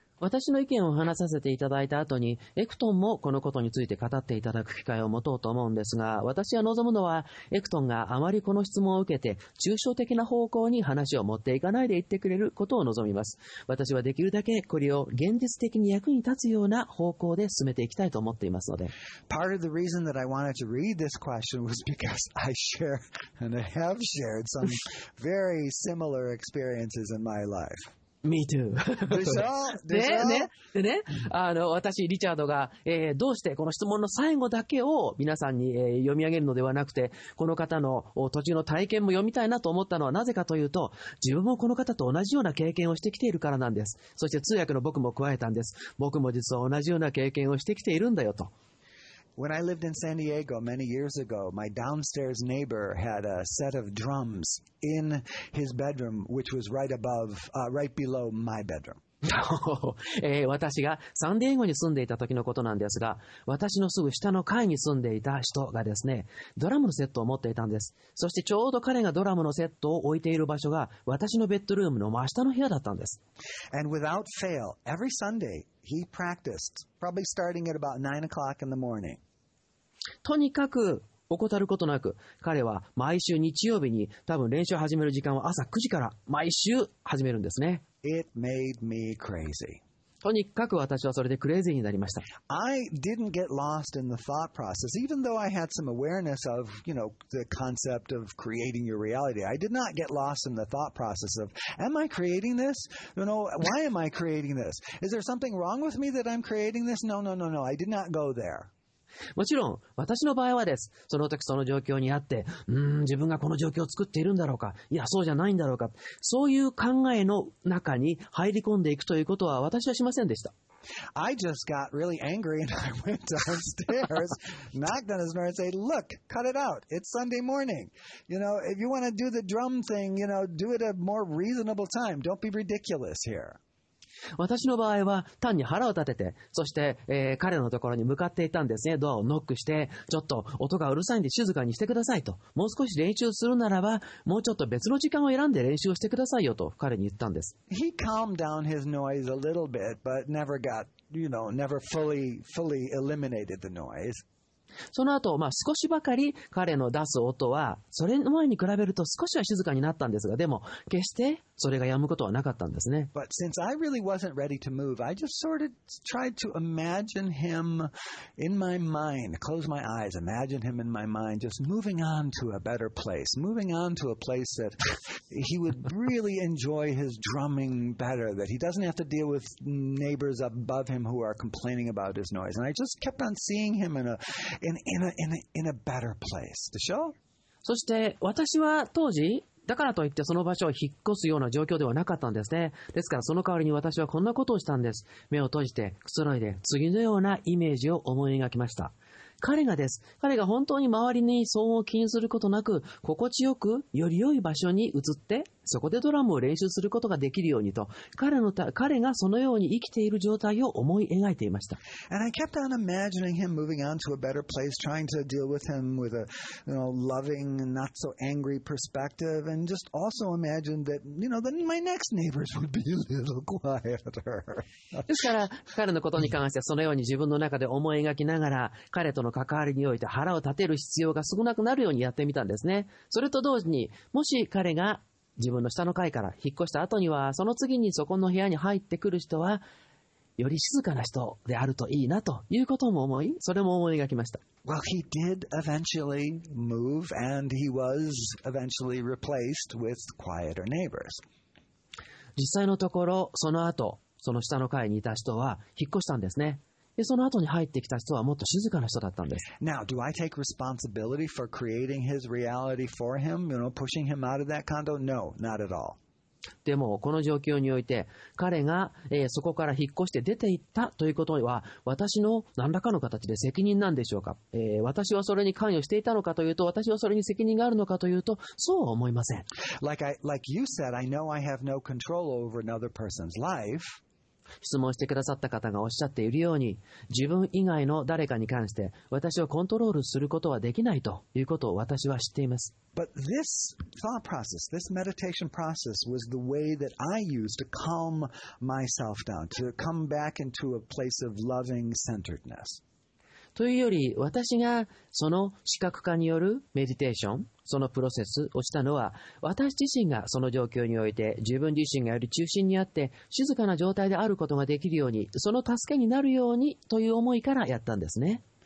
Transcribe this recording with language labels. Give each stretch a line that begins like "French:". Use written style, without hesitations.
Japanese: 私の意見を話させていただいた後にエクトンもこのことについて語っていただく機会を持とうと思うんですが、私は望むのはエクトンがあまりこの質問を受けて抽象的な方向に話を持っていかないで言ってくれることを望みます。私はできるだけこれを現実的に役に立つような方向で進めていきたいと思っていますので。
English: Part of the reason that I wanted to read this question was because I share and I have shared some very similar experiences in my life. Me too.
Japanese: でね、私、リチャードが、どうしてこの質問の最後だけを皆さんに、読み上げるのではなくて、この方の途中の体験も読みたいなと思ったのはなぜかというと、自分もこの方と同じような経験をしてきているからなんです。そして通訳の僕も加えたんです。僕も実は同じような経験をしてきているんだよと。
English: When I lived in San Diego many years ago, my downstairs neighbor had a set of drums in his bedroom, which was right above, right below my bedroom.
Japanese: 私がサンディエゴに住んでいた時のことなんですが、私のすぐ下の階に住んでいた人がですね、ドラムのセットを持っていたんです。そしてちょうど彼がドラムのセットを置いている場所が私のベッドルームの真下の部屋だったんです。
English: And without fail, every Sunday he practiced, probably starting at about 9 o'clock in the morning.
Japanese: とにかく怠ることなく、彼は毎週日曜日に多分練習を始める時間は朝9時から毎週始めるんですね。
English: It made me crazy.
Japanese: とにかく私はそれでクレイジーになりました。
English: I didn't get lost in the thought process, even though I had some awareness of, you know, the concept of creating your reality. I did not get lost in the thought process of, am I creating this? No, no, why am I creating this? Is there something wrong with me that I'm creating this? No, no, no, no, I did not go there.
Japanese: もちろん私の場合はです、その時その状況にあって、自分がこの状況を作っているんだろうか、いやそうじゃないんだろうか、そういう考えの中に入り込んでいくということは私はしませんでした。
English: I just got really angry and I went downstairs, knocked on his door and said, look, cut it out, it's Sunday morning, you know, if you want to do the drum thing, you know, do it at a more reasonable time, don't be ridiculous here.
Japanese: 私の場合は単に腹を立てて、そして、彼のところに向かっていたんですね。ドアをノックして、ちょっと音がうるさいんで静かにしてくださいと、もう少し練習するならば、もうちょっと別の時間を選んで練習をしてくださいよと彼に言ったんです。
English: He calmed down his noise a little bit, but never got, you know, never fully eliminated the noise.
Japanese: その後、まあ、少しばかり彼の出す音はそれ前に比べると少しは静かになったんですが、でも決してそれが止むことはなかったんですね。
English: But since I really wasn't ready to move, I just sort of tried to imagine him in my mind, close my eyes, imagine him in my mind just moving on to a better place, moving on to a place that he would really enjoy his drumming better, that he doesn't have to deal with neighbors above him who are complaining about his noise. And I just kept on seeing him in a better place. The show?
Japanese: そして私は当時だからといってその場所を引っ越すような状況ではなかったんですね。ですからその代わりに私はこんなことをしたんです。目を閉じてくつろいで次のようなイメージを思い描きました。彼が本当に周りに騒音を気にすることなく心地よくより良い場所に移ってそこでドラムを練習することができるようにと、彼がそのように生きている状態を思い描いていました。
English: And I kept on imagining him moving on to a better place, trying to deal with him with a, you know, loving, not so angry perspective, and just also imagined that, you know, then my next neighbors would be a little quieter.
Japanese: ですから彼のことに関してはそのように自分の中で思い描きながら、彼との関わりにおいて腹を立てる必要が少なくなるようにやってみたんですね。それと同時に、もし彼が自分の下の階から引っ越した後にはその次にそこの部屋に入ってくる人はより静かな人であるといいなということも思い、それも思い描きました。
English: Well, he did eventually move and he was eventually replaced with quieter neighbors.
Japanese: 実際のところその後その下の階にいた人は引っ越したんですね。でその後に入ってきた人はもっと静かな人だったんです。
English: Now, do I take responsibility for creating his reality for him, you know, pushing him out of that condo? No, not at all.
Japanese: でもこの状況において彼が、そこから引っ越して出ていったということは私の何らかの形で責任なんでしょうか、私はそれに関与していたのかというと、私はそれに責任があるのかというと、そうは思いません。
English: Like you said, I know I have no control over another person's life.
Japanese: 質問してくださった方がおっしゃっているように、自分以外の誰かに関して私をコントロールすることはできないということを私は知っています。
English: But this thought process, this meditation process was the way that I used to calm myself down, to come back into a place of loving centeredness.
Japanese: というより、私がその視覚化によるメディテーション、そのプロセスをしたのは、私自身がその状況において自分自身がより中心にあって静かな状態であることができるように、その助けになるようにという思いからやったんですね。